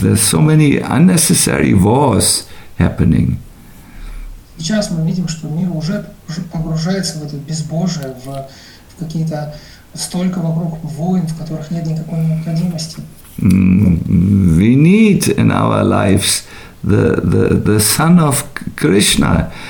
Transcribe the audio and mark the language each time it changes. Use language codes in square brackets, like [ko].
[en] There's so many unnecessary wars happening. [ru] Сейчас мы видим, что мир уже погружается в это безбожие, в какие-то... Столько вокруг войн, в которых нет никакой необходимости. [en] We need in our lives the son of Krishna.